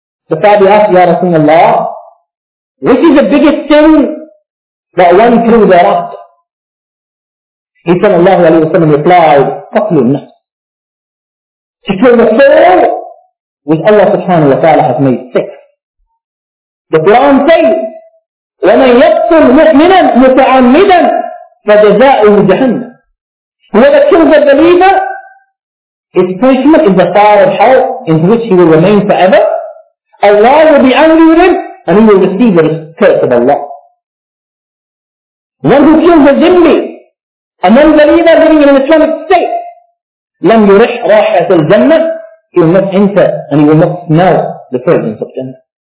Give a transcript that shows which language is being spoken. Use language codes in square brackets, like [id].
[en] The Sahabi asked, Ya Rasulullah, which is the biggest sin that one can do thereafter? He said, Allah alayhi wa sallam replied, qatlu nafs. To kill the soul, which Allah subhanahu wa ta'ala has made sick. The Quran says, [ar] وَمَنْ يَقْتُلْ مُؤْمِنًا مُتَعَمِّدًا فَجَزَاؤُهُ جَهَنَّمُ. [en] Whoever kills a believer, his punishment is the fire of hell in which he will remain forever. Allah will be angry with him, and he will receive the curse of Allah. One who kills a zimbi, a non-believer living in an Islamic state, [ar] لَمْ يُرِحْ رَاحَةَ الْجَنَّةِ [en] He will not enter and he will not smell the presence of Jannah.